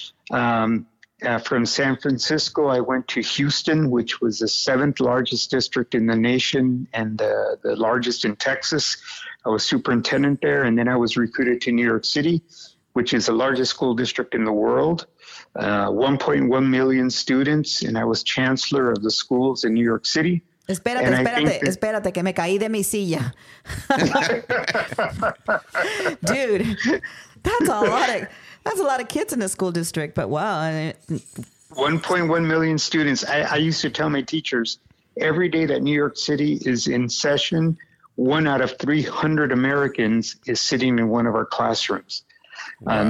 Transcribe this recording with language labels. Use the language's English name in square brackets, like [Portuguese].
[English] From San Francisco, I went to Houston, which was the seventh largest district in the nation and the largest in Texas. I was superintendent there, and then I was recruited to New York City, which is the largest school district in the world, 1.1 million students, and I was chancellor of the schools in New York City. [Spanish] Espérate, que me caí de mi silla. [English] Dude, that's a lot of kids in the school district, but wow. 1.1 million students. I used to tell my teachers, every day that New York City is in session, one out of 300 Americans is sitting in one of our classrooms. Wow.